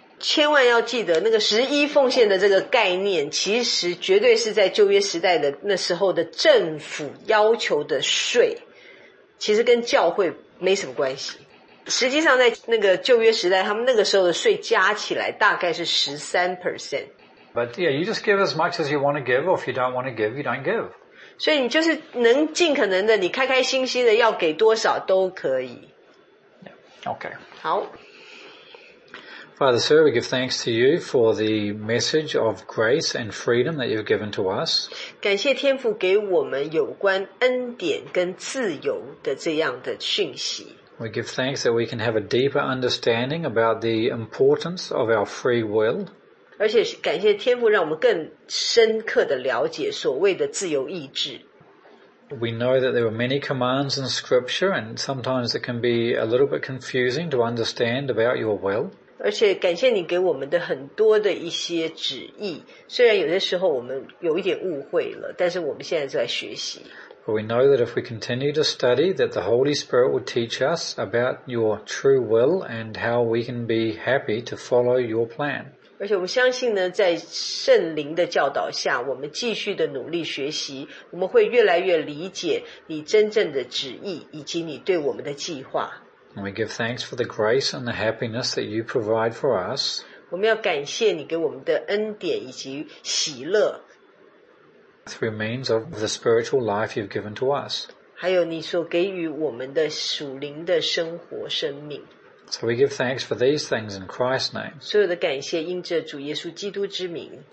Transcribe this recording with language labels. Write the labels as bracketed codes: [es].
[zh] 千万要记得那个十一奉献的这个概念，其实绝对是在旧约时代的那时候的政府要求的税，其实跟教会没什么关系。实际上在那个旧约时代，他们那个时候的税加起来大概是 13%。 [en] But yeah, you just give as much as you want to give, or if you don't want to give, you don't give. [zh] 所以你就是能尽可能的，你开开心心的要给多少都可以。 [en] Yeah, okay. [zh] 好。 [en] Father, sir, we give thanks to you for the message of grace and freedom that you've given to us. [zh] 感谢天父给我们有关恩典跟自由的这样的讯息。 [en] We give thanks that we can have a deeper understanding about the importance of our free will. [zh] 而且感谢天父让我们更深刻的了解所谓的自由意志。 [en] We know that there are many commands in scripture, and sometimes it can be a little bit confusing to understand about your will. [zh] 而且感谢你给我们的很多的一些旨意，虽然有些时候我们有一点误会了，但是我们现在在学习。 [en] But we know that if we continue to study, that the Holy Spirit will teach us about your true will and how we can be happy to follow your plan. [zh] 而且我们相信呢，在圣灵的教导下，我们继续的努力学习，我们会越来越理解你真正的旨意以及你对我们的计划。 [en] And we give thanks for the grace and the happiness that you provide for us. [zh] 我们要感谢你给我们的恩典以及喜乐。 [en] Through means of the spiritual life you've given to us. [zh] 还有你所给予我们的属灵的生活生命。 [en] So we give thanks for these things in Christ's name. [zh] 所有的感谢因着主耶稣基督之名。